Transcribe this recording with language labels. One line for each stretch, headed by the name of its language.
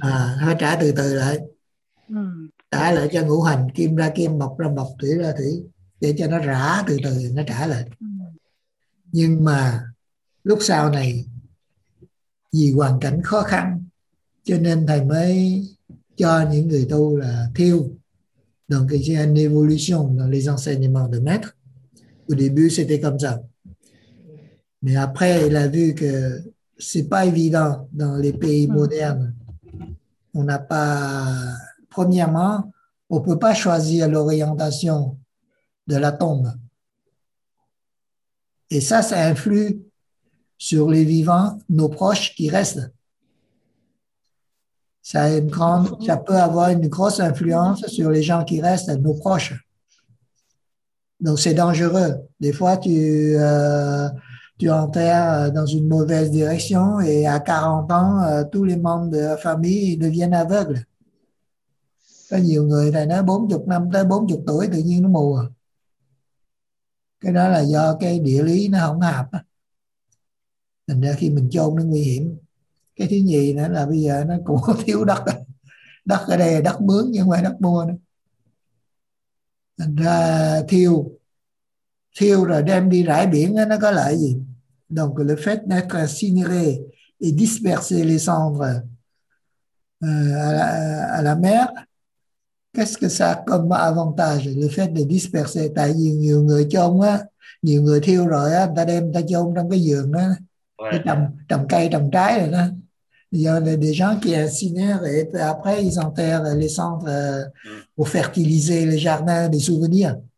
Vietnamese: À, nó trả từ từ lại, trả lại cho ngũ hành, kim ra kim, mộc ra mộc, thủy ra thủy, để cho nó rã từ từ nó trả lại. Nhưng mà lúc sau này vì hoàn cảnh khó khăn cho nên thầy mới cho những người tu là thiêu.
French: Donc j'ai une évolution dans les enseignements de maître. Au début, c'était comme ça. Mais après, il a vu que c'est pas évident dans les pays modernes. On n'a pas, premièrement, on peut pas choisir l'orientation de la tombe. Et ça, ça influe sur les vivants, nos proches qui restent. Ça a une grande, ça peut avoir une grosse influence sur les gens qui restent, nos proches. Donc c'est dangereux. Des fois, tu enterres dans une mauvaise direction et à 40 ans, tous les membres de la famille deviennent aveugles.
Vietnamese: Có nhiều người là nói 40 năm tới 40 tuổi tự nhiên nó mù à. Cái đó là do cái địa lý nó không hợp. Thành ra khi mình chôn nó nguy hiểm. Cái thứ nhì nữa là bây giờ nó cũng thiếu đất. Đất ở đây là đất mướn nhưng không phải đất mua nữa. Thành ra thiêu. Thiêu rồi đem đi rải biển nó có lợi gì?
French: Donc le fait d'être incinéré et disperser les cendres à la mer, qu'est-ce que ça comme avantage? Le fait de disperser,
Vietnamese: tại vì nhiều người chôn á, nhiều người thiêu rồi á, người ta đem ta chôn trong cái giường á. Trồng cây, trồng trái rồi đó.
French: Il y a des gens qui incinèrent et après ils enterrent les cendres pour fertiliser les jardins des souvenirs.